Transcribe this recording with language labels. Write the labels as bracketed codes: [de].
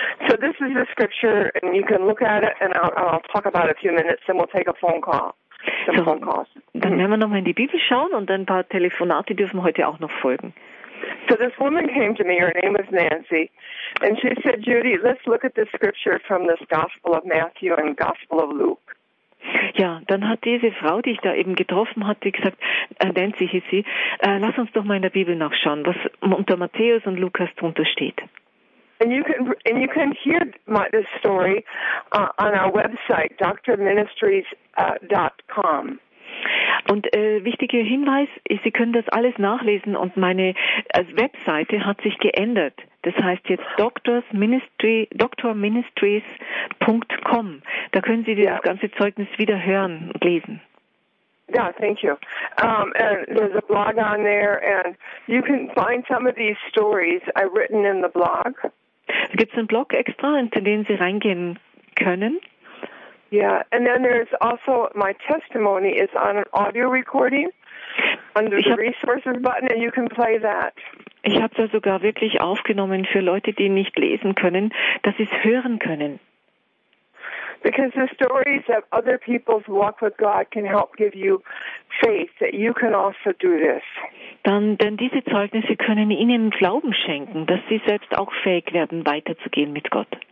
[en] So this is the scripture, and you can look at it, and I'll talk about it a few minutes, and we'll take a phone call. [de] Dann werden wir nochmal in die Bibel schauen und ein paar Telefonate dürfen heute auch noch folgen. [en] So this woman came to me, her name was Nancy, and she said, Judy, let's look at the scripture from this Gospel of Matthew and Gospel of Luke. [de] Ja, dann hat diese Frau, die ich da eben getroffen hatte, gesagt, Nancy hieß sie, lass uns doch mal in der Bibel nachschauen, was unter Matthäus und Lukas drunter steht. [en] And you can hear this story on our website, drministries.com. [de] Und wichtiger Hinweis, Sie können das alles nachlesen und meine Webseite hat sich geändert. Das heißt jetzt drministries.com. Da können Sie das ganze Zeugnis wieder hören und lesen. [en] Yeah, thank you. And there's a blog on there and you can find some of these stories I've written in the blog. [de] Da gibt es einen Blog extra, in den Sie reingehen können. [en] Yeah, and then there's also my testimony is on an audio recording under the resources button, and you can play that. [de] Ich habe es sogar wirklich aufgenommen für Leute, die nicht lesen können, dass sie es hören können. [en] Because the stories of other people's walk with God can help give you faith that you can also do this. [de] Denn diese Zeugnisse können Ihnen Glauben schenken, dass Sie selbst auch fähig werden, weiterzugehen mit Gott.